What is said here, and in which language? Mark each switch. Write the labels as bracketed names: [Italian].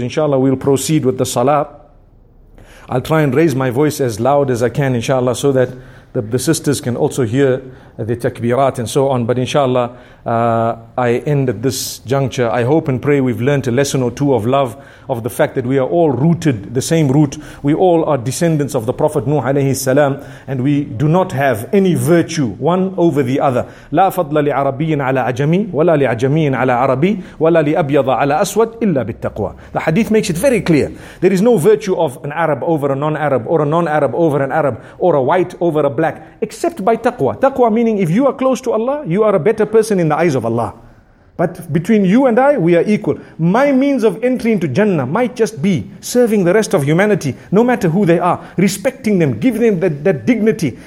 [English] Inshallah, we'll proceed with the salah. I'll try and raise my voice as loud as I can, inshallah, so that the sisters can also hear the takbirat and so on. But inshallah, I end at this juncture. I hope and pray we've learned a lesson or two of love, of the fact that we are all rooted the same root. We all are descendants of the Prophet Nuh alayhi salam, and we do not have any virtue one over the other. [Arabic] لا فضل لعربي على عجمي ولا لعجمي على عربي ولا لأبيض على أسود إلا بالتقوى. [English] The hadith makes it very clear. There is no virtue of an Arab over a non-Arab, or a non-Arab over an Arab, or a white over a black, except by taqwa. Taqwa meaning if you are close to Allah, you are a better person in the eyes of Allah. But between you and I, we are equal. My means of entry into Jannah might just be serving the rest of humanity, no matter who they are, respecting them, giving them that dignity.